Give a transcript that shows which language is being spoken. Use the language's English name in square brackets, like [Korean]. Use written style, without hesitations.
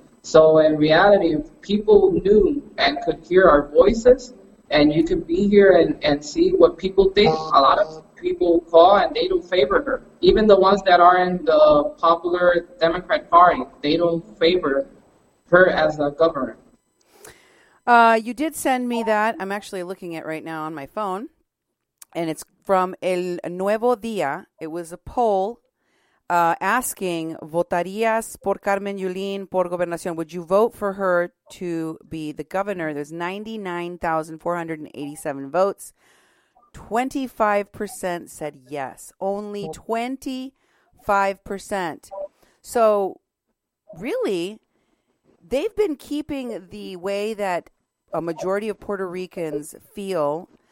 [English] So in reality, if people knew and could hear our voices, and you could be here and see what people think, a lot of people call and they don't favor her. Even the ones that are in the popular Democrat Party, they don't favor her as a governor. You did send me that. I'm actually looking at it right now on my phone. And it's from El Nuevo Día. It was a poll asking, [Spanish] ¿Votarías por Carmen Yulín por Gobernación? [English] Would you vote for her to be the governor? There's 99,487 votes. 25% said yes. Only 25%. So, really, they've been keeping the way that a majority of Puerto Ricans feel.